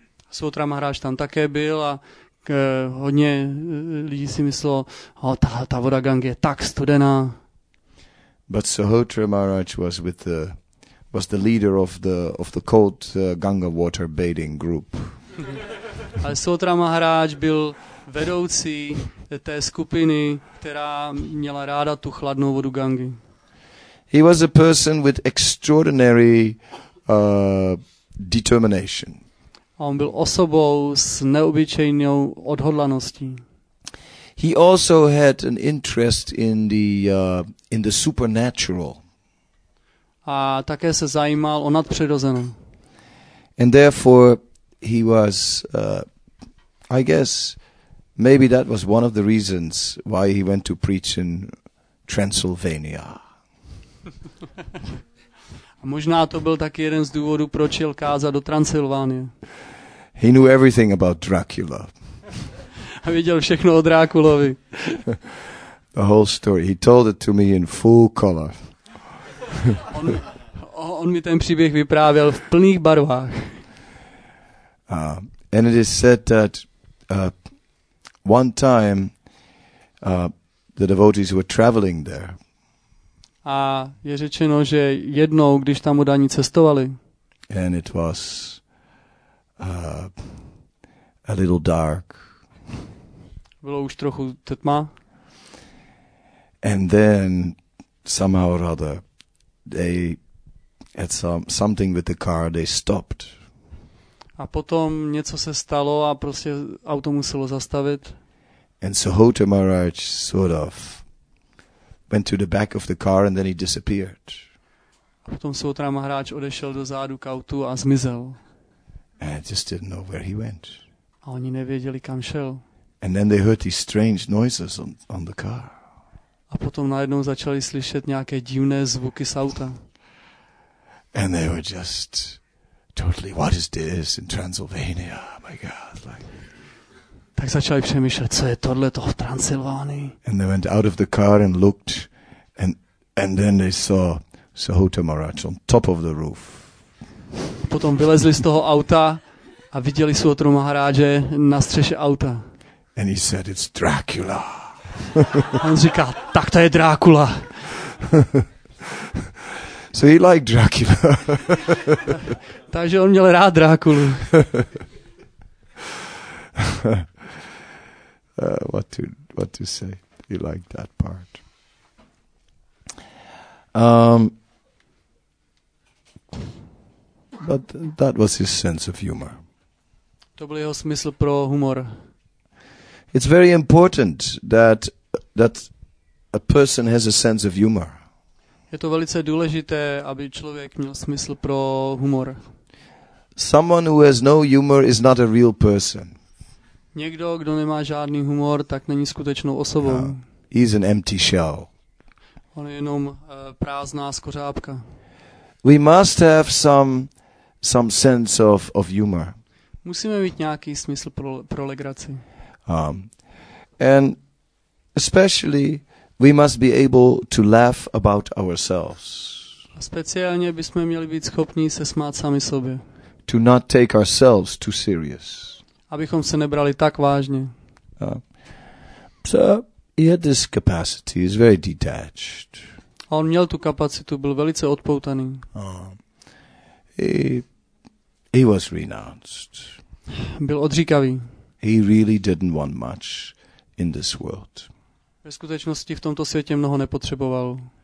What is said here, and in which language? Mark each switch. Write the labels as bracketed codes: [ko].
[cs] Suhota Maharaj tam také byl a hodně lidí si myslelo, ta voda Ganga je tak studená. [en] But Suhota Maharaj was the leader of the cold Ganga water bathing group. [cs] Ale Suhota Maharaj byl vedoucí té skupiny, která měla ráda tu chladnou vodu Gangy. [en] He was a person with extraordinary determination. [cs] A on byl osobou s neobyčejnou odhodlaností. [en] He also had an interest in the supernatural. [cs] A také se zajímal o nadpřirozené. [en] And therefore he was I guess maybe that was one of the reasons why he went to preach in Transylvania. [cs] A možná to byl taky jeden z důvodů, proč jel kázat do Transylvánie. [en] He knew everything about Dracula. [cs] A věděl všechno o Drákulovi. [en] The whole story. He told it to me in full color. [cs] on mi ten příběh vyprávěl v plných barvách. [en] And it is said that one time the devotees were traveling there. [cs] A je řečeno, že jednou, když tam udání cestovali. [en] And it was a little dark. [cs] Bylo už trochu tma. [en] And then somehow or other they had something with the car, they stopped. [cs] A potom něco se stalo a prostě auto muselo zastavit. [en] And Suhota Maharaj sort of went to the back of the car and then he disappeared. [cs] A potom Suhota Maharaj odešel do zádu k autu a zmizel. [en] And I just didn't know where he went. [cs] A oni nevěděli, kam šel. [en] And then they heard these strange noises on the car. [cs] A potom najednou začali slyšet nějaké divné zvuky z auta. [en] And they were just totally, what is this in Transylvania? Oh my God, like. [cs] Tak začali přemýšlet, co je tohleto v Transylvánii. [en] And they went out of the car and looked, and then they saw Suhota Maharaj on top of the roof. [cs] Potom vylezli z toho auta a viděli Suhotu Maharaje na střeše auta. [en] And he said, it's Dracula. [cs] On říká, tak to je Drákula. [en] So he liked Dracula. [cs] Takže on měl rád Drákulu. [en] What to say? He liked that part. But that was his sense of humor. [cs] To byl jeho smysl pro humor. [en] It's very important that a person has a sense of humor. [cs] Je to velice důležité, aby člověk měl smysl pro humor. [en] Someone who has no humor is not a real person. [cs] Někdo, kdo nemá žádný humor, tak není skutečnou osobou. [en] He's an empty shell. [cs] On je jenom prázdná skořápka. [en] We must have some sense of humor. [cs] Musíme mít nějaký smysl pro legraci. [en] And especially we must be able to laugh about ourselves. [cs] A speciálně bychom měli být schopni se smát sami sobě. [en] To not take ourselves too serious. [cs] Abychom se nebrali tak vážně. [en] So he had this capacity, he's very detached. [cs] A on měl tu kapacitu, byl velice odpoutaný. [en] He was renounced. [cs] Byl odříkavý. [en] He really didn't want much in this world. [cs] Ve skutečnosti v tomto světě mnoho nepotřeboval.